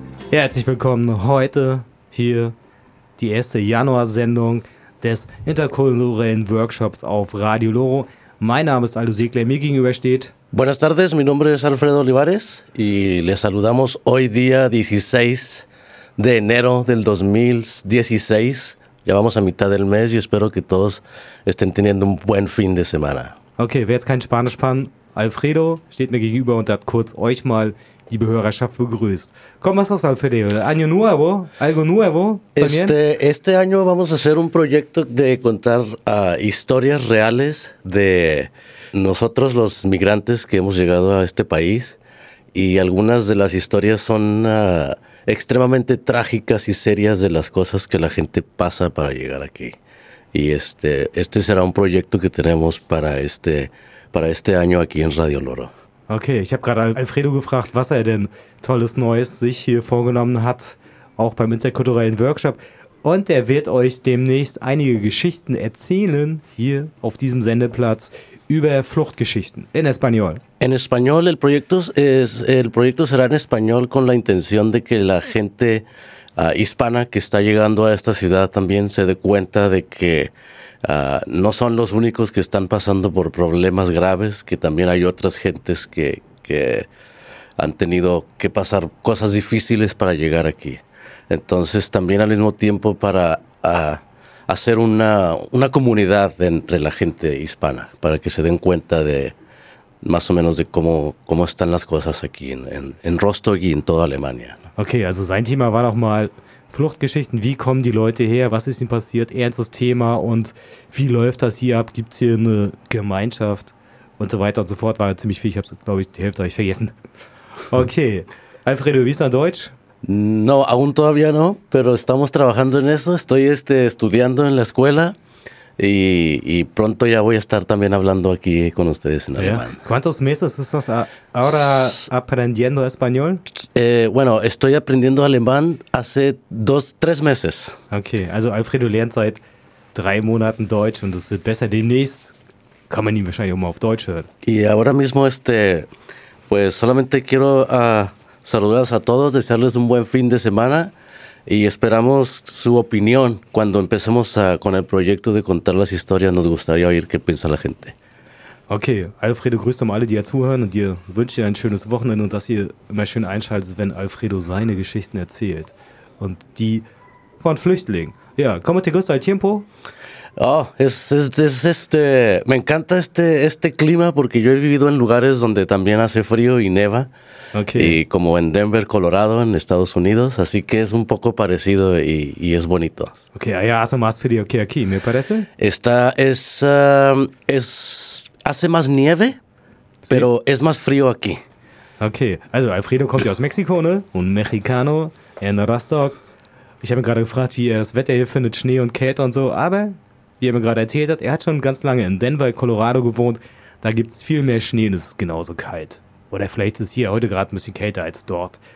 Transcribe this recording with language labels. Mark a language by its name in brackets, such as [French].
[German] Herzlich willkommen heute hier die erste Januarsendung des interkulturellen Workshops auf Radio Loro. Mein Name ist Aldo Ziegler, mir gegenüber steht... [Spanish] Buenas tardes, mi nombre es Alfredo Olivares y les saludamos hoy día 16 de enero del 2016. Ya vamos a mitad del mes y espero que todos estén teniendo un buen fin de semana. [German] Okay, wer jetzt kein Spanisch kann, Alfredo steht mir gegenüber und hat kurz euch mal die Behörerschaft begrüßt. [Spanish] ¿Cómo estás, Alfredo? ¿Año nuevo? ¿Algo nuevo? Este año vamos a hacer un proyecto de contar historias reales de... Nosotros los migrantes que hemos llegado a este país y algunas de las historias son extremadamente trágicas y serias de las cosas que la gente pasa para llegar aquí. Y este será un proyecto que tenemos para este año aquí en Radio Loro. [German] Okay, ich habe gerade Alfredo gefragt, was er denn tolles Neues sich hier vorgenommen hat, auch beim interkulturellen Workshop. Und er wird euch demnächst einige Geschichten erzählen hier auf diesem Sendeplatz über Fluchtgeschichten in Español. [Spanish] En español el proyecto será en español con la intención de que la gente hispana que está llegando a esta ciudad también se dé cuenta de que no son los únicos que están pasando por problemas graves, que también hay otras gentes que han tenido que pasar cosas difíciles para llegar aquí. Entonces también al mismo tiempo para hacer una comunidad entre la gente hispana para que se den cuenta de más o menos de cómo están las cosas aquí en Rostock y en toda Alemania. [German] Okay, also sein Thema war noch mal Fluchtgeschichten, wie kommen die Leute her, was ist ihnen passiert, ernstes Thema und wie läuft das hier ab, gibt's hier eine Gemeinschaft und so weiter und so fort, war ziemlich viel, ich habe glaube ich die Hälfte habe ich vergessen. Okay, Alfredo, wie ist dein Deutsch? [Spanish] No, aún todavía no, pero estamos trabajando en eso. Estoy estudiando en la escuela y pronto ya voy a estar también hablando aquí con ustedes en alemán. ¿Cuántos meses estás ahora aprendiendo español? Bueno, estoy aprendiendo alemán hace 2-3 meses. [German] Okay, also Alfredo lernt seit 3 Monaten Deutsch und es wird besser. Demnächst kann man ihn wahrscheinlich auch mal auf Deutsch hören. [Spanish] Y ahora mismo pues solamente quiero... Saludos a todos, desearles un buen fin de semana y esperamos su opinión cuando empecemos con el proyecto de contar las historias. Nos gustaría oír qué piensa la gente. [German] Okay, Alfredo grüßt um alle, die ja zuhören und dir wünscht dir ein schönes Wochenende und dass ihr immer schön einschaltet, wenn Alfredo seine Geschichten erzählt und die von Flüchtlingen. [Spanish] Ja, ¿cómo te gusta el tiempo? Oh, es me encanta este clima porque yo he vivido en lugares donde también hace frío y neva. Okay. Y como en Denver, Colorado, en Estados Unidos, así que es un poco parecido y es bonito. Okay, allá hace más frío que aquí, ¿me parece? Hace más nieve, pero es más frío aquí. [German] Okay, also Alfredo kommt ja aus Mexiko, ne? [Spanish] Un mexicano en Rostock. [German] Ich habe gerade gefragt, wie er das Wetter hier findet, Schnee und Kälte und so, aber wie er mir gerade erzählt hat, er hat schon ganz lange in Denver, Colorado gewohnt. Da gibt's viel mehr Schnee und es ist genauso kalt. Oder vielleicht ist hier heute gerade ein bisschen kälter als dort.